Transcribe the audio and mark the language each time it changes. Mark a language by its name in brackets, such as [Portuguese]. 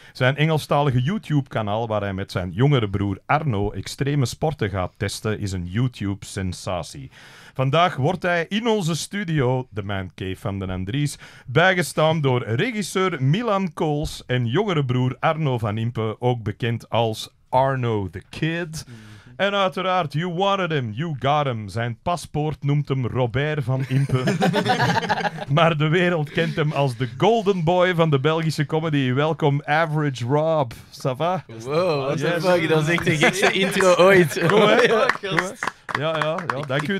[Dutch] Zijn Engelstalige YouTube-kanaal, waar hij met zijn jongere broer Arno extreme sporten gaat testen, is een YouTube-sensatie. Vandaag wordt hij in onze studio, de Man Cave van den Andries, bijgestaan door regisseur Milan Kools en jongere broer Arno van Impen, ook bekend als Arno the Kid. En uiteraard, [English] you wanted him, you got him. [Dutch] Zijn paspoort noemt hem Robert van Impen. Maar de wereld kent hem als de golden boy van de Belgische comedy. Welkom, Average Rob. [French] Ça va? [Dutch] Wow, dat, yes. Is, dat is echt de gekste intro ooit. Goed, hè? Ja. Dank u.